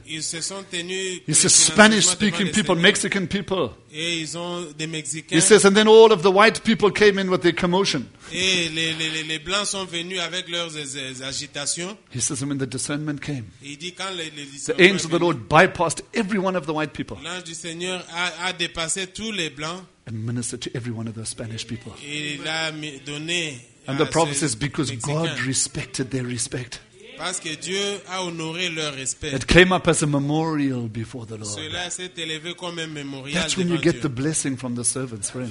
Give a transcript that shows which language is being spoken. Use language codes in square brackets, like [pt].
[en] He says, Spanish speaking people, Mexican people. He says, and then all of the white people came in with their commotion. [fr] Les blancs sont venus avec leurs agitations. [en] He says, and when the discernment came, [fr] il dit, quand [en] the angel of the Lord bypassed every one of the white people. [fr] L'ange du Seigneur a dépassé tous les blancs. [en] And ministered to every one of the Spanish people. [fr] Il a donné [en] and the prophet says, because Mexican. God respected their respect. [fr] Parce que Dieu a honoré leur respect. [en] It came up as a memorial before the Lord. [fr] Cela s'est élevé comme un mémorial. [en] That's when you get [fr] Dieu. [en] The blessing from the servants, friends.